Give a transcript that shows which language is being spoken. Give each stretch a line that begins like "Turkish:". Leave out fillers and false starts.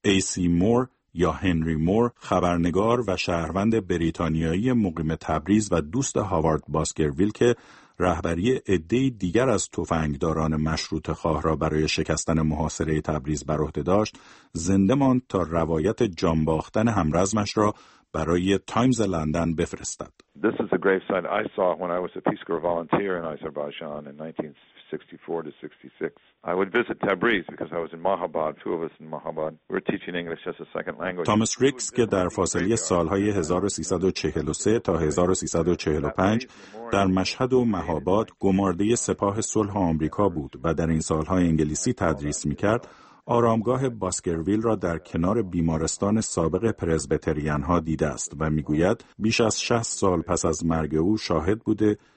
Persian: ای سی مور یا هنری مور، خبرنگار و شهروند بریتانیایی مقیم تبریز و دوست هاوارد باسکرویل که رهبری عده‌ای دیگر از تفنگداران مشروطه‌خواه را برای شکستن محاصره تبریز بر عهده داشت، زنده ماند تا روایت جانباختن همرزمش را برای تایمز لندن بفرستد.
English: This is a grave sight I saw when I was a Peace Corps volunteer in Azerbaijan in 1964 to 66. I would visit Tabriz because I was in Mahabad. Two of us in Mahabad. We were teaching English as a second language.
Persian: Thomas Ricks که در فاصله سالهای 1343 تا 1345 در مشهد و مهاباد گمارده سپاه صلح آمریکا بود و در این سالها انگلیسی تدریس می‌کرد، آرامگاه باسکرویل را در کنار بیمارستان سابق پرزبیتریان‌ها دیده است و می‌گوید بیش از 60 سال پس از مرگ او شاهد بوده